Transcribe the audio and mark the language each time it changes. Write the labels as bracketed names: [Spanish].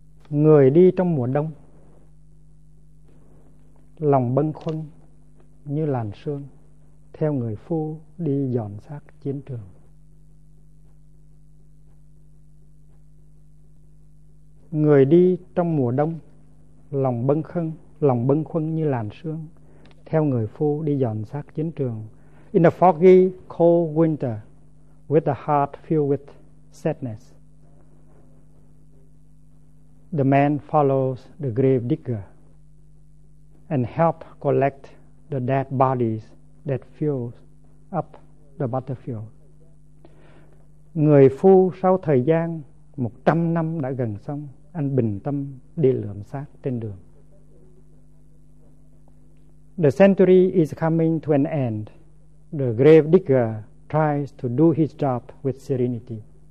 [Vietnamese] Người đi trong mùa đông, lòng bâng khuâng như làn sương theo người phu đi dọn xác chiến trường. Người đi trong mùa đông, lòng bâng khuâng như làn sương theo người phu đi dọn xác chiến trường. [English] In the foggy cold winter, with the heart filled with sadness, the man follows the grave digger and help collect the dead bodies that fill up the battlefield. [Vietnamese] Người phu sau thời gian 100 năm đã gần xong, anh bình tâm đi lượm xác trên đường. [English] The century is coming to an end. The grave digger tries to do his job with serenity.